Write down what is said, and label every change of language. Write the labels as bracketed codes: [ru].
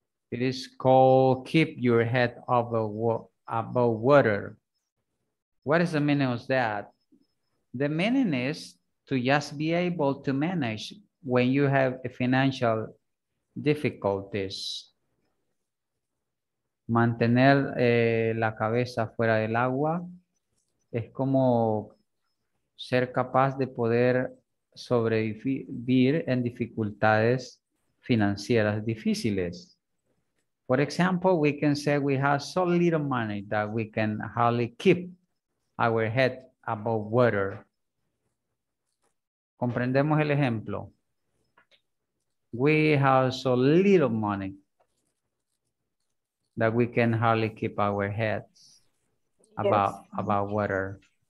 [en] It is called keep your head above water. What is the meaning of that? The meaning is to just be able to manage when you have financial difficulties. [es] Mantener la cabeza fuera del agua es como ser capaz de poder sobrevivir en dificultades financieras difíciles. [en] For example, we can say we have so little money that we can hardly keep our head above water. [es] Comprendemos el ejemplo. [en] We have so little money that we can hardly keep our heads about water.